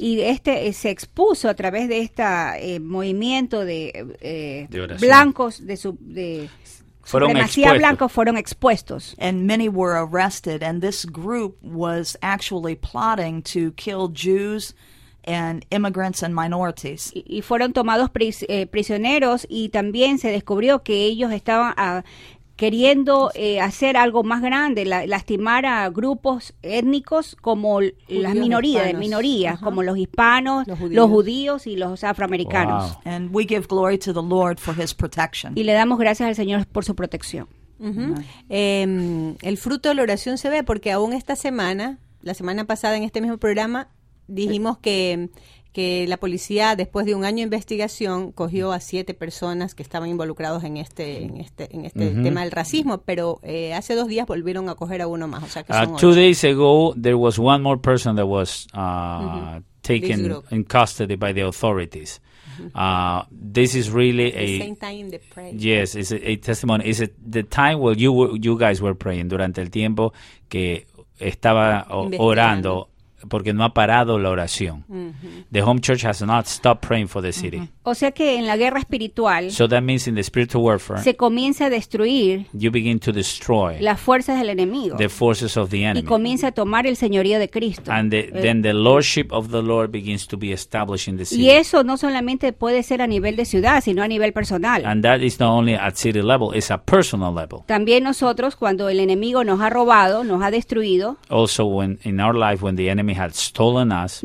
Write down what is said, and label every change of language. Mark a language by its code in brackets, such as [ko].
[es] Y se expuso a través de este movimiento de blancos demasiado blancos fueron expuestos. [en] And many were arrested, and this group was actually plotting to kill Jews and immigrants and minorities. [es] Y fueron tomados prisioneros, y también se descubrió que ellos estaban queriendo hacer algo más grande, lastimar a grupos étnicos como las minorías uh-huh. como los hispanos, los judíos y los afroamericanos. Wow. [en] And we give glory to the Lord for his protection. [es] Y le damos gracias al Señor por su protección. Uh-huh. Uh-huh. El fruto de la oración se ve porque aún esta semana, la semana pasada en este mismo programa, dijimos que la policía, después de un año de investigación, cogió a 7 personas que estaban involucrados en este uh-huh. tema del racismo, pero hace 2 días volvieron a coger a uno más. O sea, que son [en] 2 days ago, there was one more person that was uh-huh. taken in custody by the authorities. This is really the same time in the prayer. Yes, it's a testimony. It's the time where you guys were praying, [es] durante el tiempo que estaba orando, porque no ha parado la oración. [en] Uh-huh. The home church has not stopped praying for the city. [es] Uh-huh. O sea que en la guerra espiritual, [en] so that means in the spiritual warfare, [es] se comienza a destruir, [en] you begin to destroy [es] las fuerzas del enemigo, [en] the forces of the enemy, [es] y comienza a tomar el señorío de Cristo. [en] And then the lordship of the Lord begins to be established in the city. [es] Y eso no solamente puede ser a nivel de ciudad, sino a nivel personal. [en] And that is not only at city level, it's a personal level. [es] También nosotros, cuando el enemigo nos ha robado, nos ha destruido, [en] also when in our life when the enemy had stolen us,